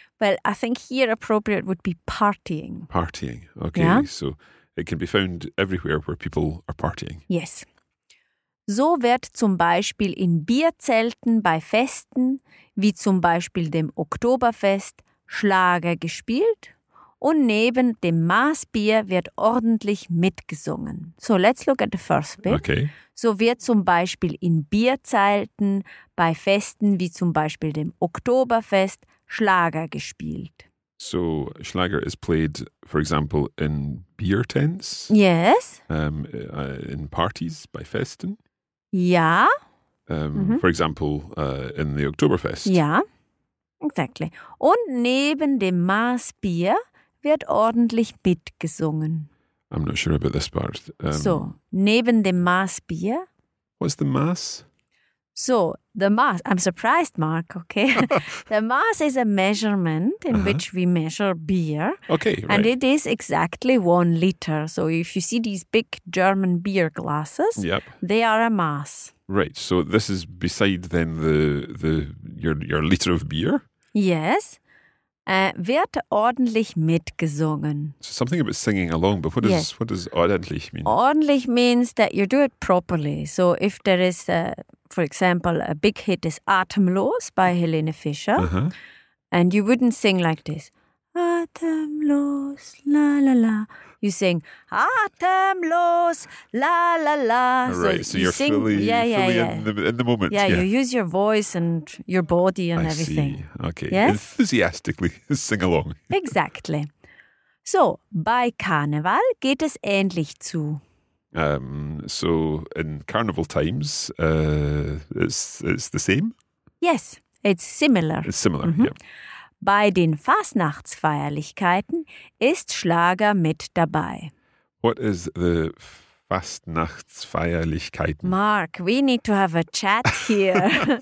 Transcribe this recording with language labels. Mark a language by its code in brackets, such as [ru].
[en] Well, I think here appropriate would be partying. Partying, okay. Yeah? So it can be found everywhere where people are partying. Yes. [de] So wird zum Beispiel in Bierzelten bei Festen, wie zum Beispiel dem Oktoberfest, Schlager gespielt. und neben dem Maßbier wird ordentlich mitgesungen. [en] So, let's look at the first bit. Okay. [de] So wird zum Beispiel in Bierzelten, bei Festen wie zum Beispiel dem Oktoberfest, Schlager gespielt. [en] So, Schlager is played, for example, in beer tents? Yes. In parties, [de] bei Festen? Ja. [en] For example, in the Oktoberfest? Ja, exactly. [de] Und neben dem Maßbier wird ordentlich mitgesungen. [en] I'm not sure about this part. [de] So, neben dem Maßbier. [en] What's the Mass? So, the Mass. I'm surprised, Mark, okay? The Mass is a measurement in which we measure beer. Okay, right. And it is exactly 1 liter. So, if you see these big German beer glasses, yep. They are a Mass. Right, so this is beside then your liter of beer? Yes. [de] Wird ordentlich mitgesungen. [en] So something about singing along, but what does ordentlich mean? Ordentlich means that you do it properly. So if there is, for example, a big hit is Atemlos by Helene Fischer, and you wouldn't sing like this. Atemlos, la la la. You sing Atemlos, la la la. Right, so you're sing, fully in the moment. Yeah, you use your voice and your body and I everything. See. Okay, yes? Enthusiastically sing along. Exactly. [de] So, bei Karneval geht es ähnlich zu. [en] So, in Carnival times, it's the same? Yes, it's similar. It's similar, yeah. [de] Bei den Fastnachtsfeierlichkeiten ist Schlager mit dabei. [en] What is the Fastnachtsfeierlichkeiten? Mark, we need to have a chat here.